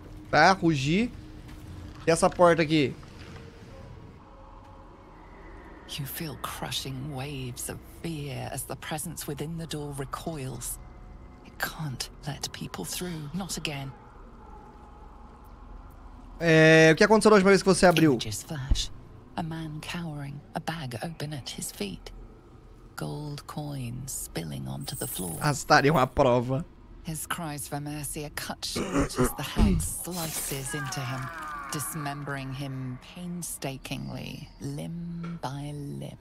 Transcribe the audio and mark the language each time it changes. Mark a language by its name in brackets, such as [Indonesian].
[Portuguese] Vai rugir! E essa porta aqui? [English] You feel crushing waves of fear as the presence within the door recoils. It can't let people through, not again. [Portuguese] É, o que aconteceu na última vez que você abriu? [English] Images flash. A man cowering, a bag open at his feet. Gold coins spilling onto the floor. [Portuguese] Ah, estaria uma prova. [English] His cries for mercy are cut short as the hand slices into him. Dismembering him painstakingly, limb by limb.